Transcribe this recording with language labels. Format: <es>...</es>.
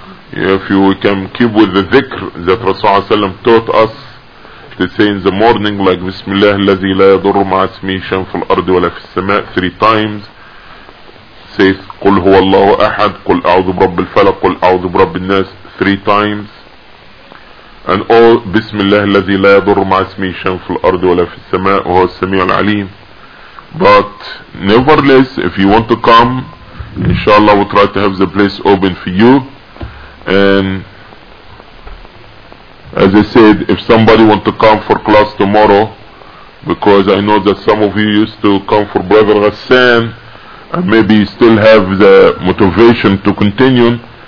<en>If you can keep with the dhikr that Rasulullah ﷺ taught us to say in the morning, like Bismillah</en> <ar>الذي لا يضر مع اسمه شيء في الأرض ولا في السماء,</ar> <en>three times.</en> <ar>Say قل هو الله أحد, قل أعوذ برب الفلق, قل أعوذ برب الناس,</ar> <en>three times.</en> <ar>And all Bismillah الذي لا يضر مع اسمه شيء في الأرض ولا في السماء وهو السميع العليم.</ar> <en>But nevertheless, if you want to come, inshallah we'll try to have the place open for you. And as I said, if somebody want to come for class tomorrow, because I know that some of you used to come for Brother Hassan, and maybe you still have the motivation to continue.</en>